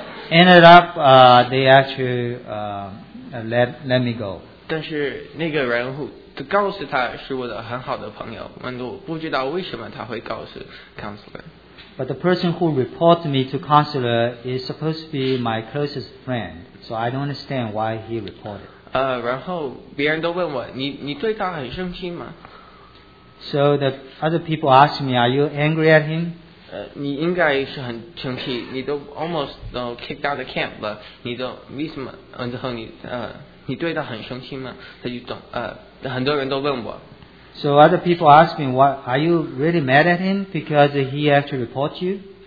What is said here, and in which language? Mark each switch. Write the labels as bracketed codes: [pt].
[en] Ended up, they actually let me go. [zh] 但是那个人 [en] who [zh] 告诉他是我的很好的朋友，我都不知道为什么他会告诉 counselor. [en] But the person who reported me to counselor is supposed to be my closest friend, so I don't understand why he reported. [zh] 然后别人都问我，你对他很生气吗？ [en] So the other people ask me, are you angry at him? [zh] 你应该是很生气，你都 [en] almost [zh] 都 [en] kicked out of camp [zh] 了，你都为什么？然后你对他很生气吗？他就懂，很多人都问我。 [en] So other people ask me, what are you really mad at him because he actually reported you?